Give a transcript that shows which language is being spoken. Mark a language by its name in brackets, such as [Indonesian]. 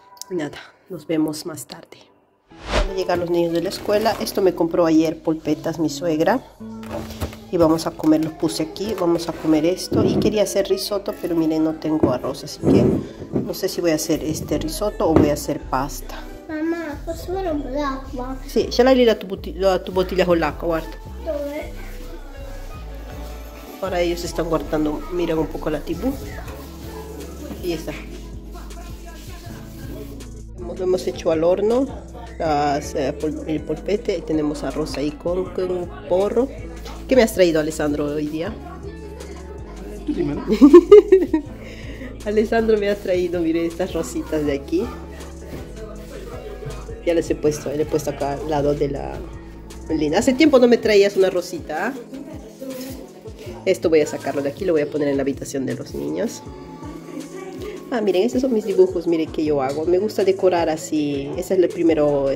[Spanish] Nada, nos vemos más tarde. Van a llegar los niños de la escuela. Esto me compró ayer polpetas mi suegra. Y vamos a comer, los puse aquí, vamos a comer esto. Y quería hacer risotto, pero miren, no tengo arroz, así que no sé si voy a hacer este risotto o voy a hacer pasta. [Italian] Mamá. Posso fare un po' d'acqua? Sì, ce l'hai lì la tua bottiglia con l'acqua, guarda. Dove? Ora io si sto guardando, [Spanish] mirando [Italian] un po' con la TV. Lì sta. Abbiamo fatto all'orno il polpette e abbiamo [Spanish] arroz ahí [Italian] con un porro. Che mi ha [Spanish] traído [Italian] Alessandro oggi? Tu dimmi. Alessandro mi ha [Spanish] traído, mire, [Italian] queste rositas di qui. [Spanish] Ya les he puesto, acá al lado de la Lina. Hace tiempo no me traías una rosita. Esto voy a sacarlo de aquí, lo voy a poner en la habitación de los niños. Ah, miren, estos son mis dibujos, miren que yo hago. Me gusta decorar así, ese es el primero.